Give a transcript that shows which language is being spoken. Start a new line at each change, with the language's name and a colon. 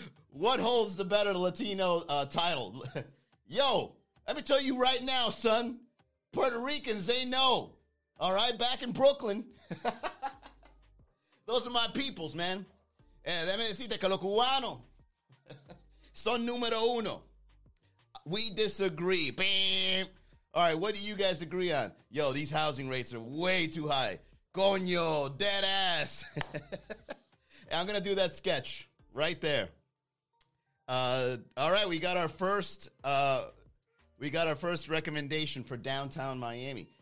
English: What holds the better Latino title? Yo, let me tell you right now, son. Puerto Ricans, they know. All right, back in Brooklyn. Those are my peoples, man.
Spanish: Déjame decirte que los cubanos son número uno.
English: We disagree. Bam. All right, what do you guys agree on? Yo, these housing rates are way too high. Coño, dead ass. I'm going to do that sketch right there. All right, we got our first recommendation for downtown Miami.